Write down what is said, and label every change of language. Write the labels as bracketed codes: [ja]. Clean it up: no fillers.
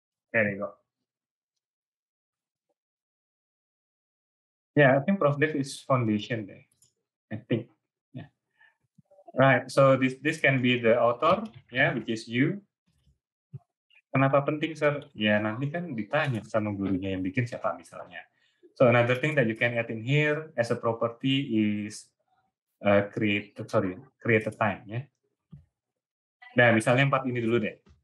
[en] There you go. Yeah, I think ProfDev is foundation there. I think. Yeah. Right. So this can be the author, yeah, which is you. [id] Kenapa penting, sir? Ya, yeah, nanti kan ditanya sama gurunya yang bikin siapa misalnya. [en] So another thing that you can add in here as a property is create a time, ya. [id] Yeah. Nah, misalnya part ini dulu deh.